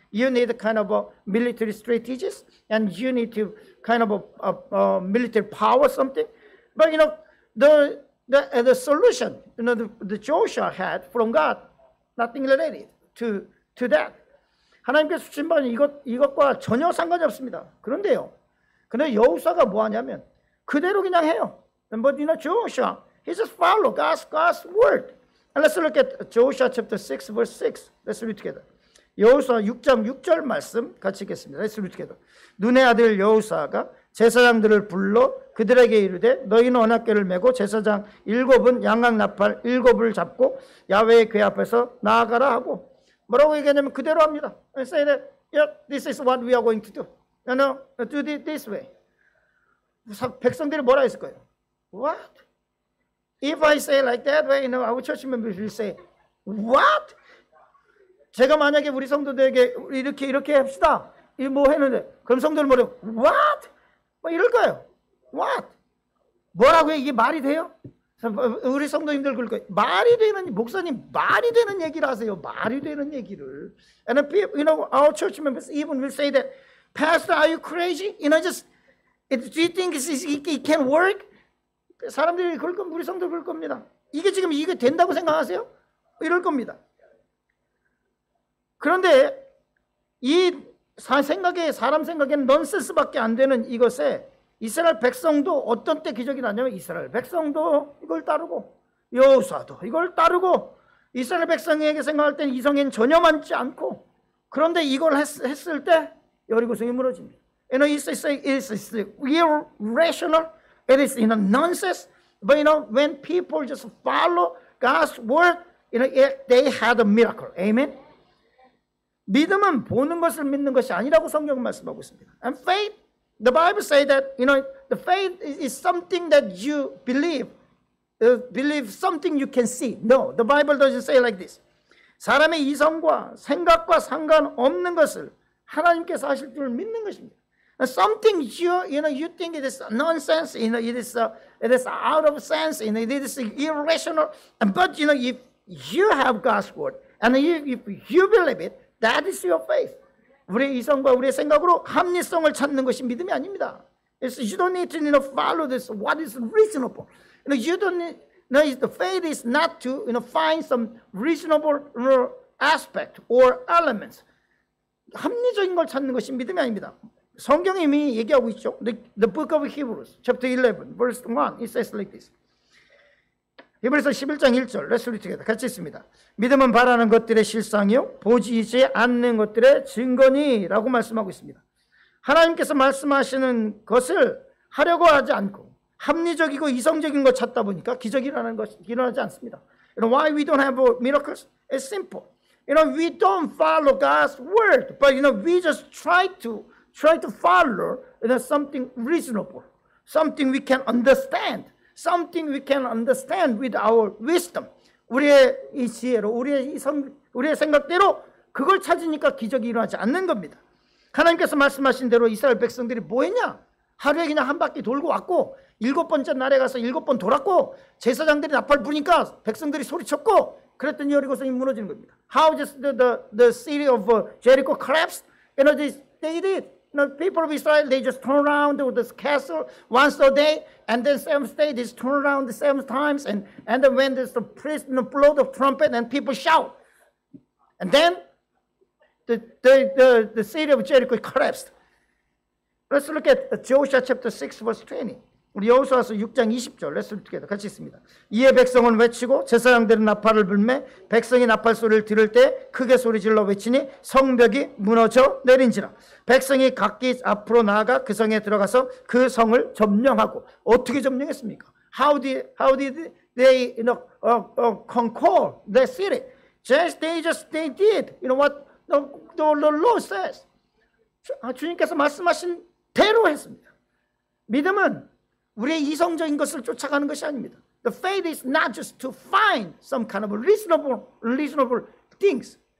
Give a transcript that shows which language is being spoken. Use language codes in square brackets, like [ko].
[en] You need kind of a military strategies, and you need to kind of a military power something. But you know the solution, you know the Joshua had from God, nothing related to that. [ko] 하나님께서 주신 바는 이것과 전혀 상관이 없습니다. 그런데요, 근데 여호수아가 뭐하냐면 그대로 그냥 해요. [en] But you know Joshua, he just followed God's word. And let's look at Joshua chapter 6, verse 6. Let's read together. [ko] 여호수아 6장 6절 말씀 같이 읽겠습니다. 예수님께서 눈의 아들 여호수아가 제사장들을 불러 그들에게 이르되 너희는 언약궤를 메고 제사장 일곱은 양각 나팔 일곱을 잡고 야훼의 궤 앞에서 나아가라 하고 뭐라고 얘기하냐면 그대로 합니다. [en] And say that yeah, this is what we are going to do. You know, do it this way. [ko] 백성들이 뭐라 했을 거예요? [en] What? If I say like that way, you know, our church members will say, what? [ko] 제가 만약에 우리 성도들에게 이렇게 합시다. 이 뭐 했는데. 그럼 성도들 뭐래요? [en] What? [ko] 뭐 이럴 거예요. What? 뭐라고요? 이게 말이 돼요? 우리 성도님들 그럴 거예요. 말이 되는, 목사님 말이 되는 얘기를 하세요. 말이 되는 얘기를. [en] And then people, you know, our church members even will say that, Pastor, are you crazy? You know, do you think it can work? [ko] 사람들이 그럴 겁니다. 우리 성도 그럴 겁니다. 이게 지금 이게 된다고 생각하세요? 이럴 겁니다. 그런데 이 생각에, 사람 생각에는 넌센스밖에 안 되는 이것에 이스라엘 백성도 어떤 때 기적이 났냐면 이스라엘 백성도 이걸 따르고 여호수아도 이걸 따르고 이스라엘 백성에게 생각할 때는 이성에는 전혀 맞지 않고 그런데 이걸 했을 때 여리고성이 무너집니다. [en] And you say, it's irrational, it is in a nonsense, but you know, when people just follow God's word, you know, they had a miracle. Amen? [ko] 믿음은 보는 것을 믿는 것이 아니라고 성경은 말씀하고 있습니다. [en] And faith, the Bible says that, you know, the faith is something that you believe, believe something you can see. No, the Bible doesn't say like this. [ko] 사람의 이성과 생각과 상관없는 것을 하나님께서 하실 줄 믿는 것입니다. [en] Something you think it is nonsense, you know, it is out of sense, you know, it is irrational. But you know, if you have God's word and if you believe it, that is your faith. [ko] 우리 이성과 우리의 생각으로 합리성을 찾는 것이 믿음이 아닙니다. [en] It's, you don't need to follow this. What is reasonable? You know, you don't need. No, the faith is not to find some reasonable aspect or elements. [ko] 합리적인 걸 찾는 것이 믿음이 아닙니다. 성경이 이미 얘기하고 있죠. [en] The book of Hebrews, chapter 11, verse 1, it says like this. [ko] 히브리서 11장 1절, [en] let's read together. [ko] 같이 있습니다. 믿음은 바라는 것들의 실상이요, 보지지 않는 것들의 증거니라고 말씀하고 있습니다. 하나님께서 말씀하시는 것을 하려고 하지 않고 합리적이고 이성적인 것 찾다 보니까 기적이 일어나는 것이 일어나지 않습니다. [en] You know, why we don't have miracles? It's simple. You know, we don't follow God's word, but you know, we just try to follow something reasonable, something we can understand, something we can understand with our wisdom. [ko] 우리의 이 지혜로, 우리의 이성, 우리의 생각대로 그걸 찾으니까 기적이 일어나지 않는 겁니다. 하나님께서 말씀하신 대로 이스라엘 백성들이 뭐 했냐? 하루에 그냥 한 바퀴 돌고 왔고, 일곱 번째 날에 가서 일곱 번 돌았고, 제사장들이 나팔 부니까 백성들이 소리쳤고, 그랬더니 여리고성이 무너지는 겁니다. [en] How just the city of Jericho collapsed? You know, they did. You know, people of Israel, they just turn around with this castle once a day, and then same day, they just turn around the same times, and then when there's the priest, you know, blow the trumpet, and people shout. And then the city of Jericho collapsed. Let's look at Joshua chapter 6, verse 20. [ko] 우리 여호수아서 6장 20절 [en] Let's read together. [ko] 같이 있습니다. 이에 백성은 외치고 제사장들은 나팔을 불매 백성이 나팔 소리를 들을 때 크게 소리 질러 외치니 성벽이 무너져 내린지라 백성이 각기 앞으로 나아가 그 성에 들어가서 그 성을 점령하고 어떻게 점령했습니까? [en] How did they conquer the city? They did. You know what the law says. [ko] 주님께서 말씀하신 대로 했습니다. 믿음은 우리의 이성적인 것을 쫓아가는 것이 아닙니다. [en] The faith is not just to find some kind of reasonable things.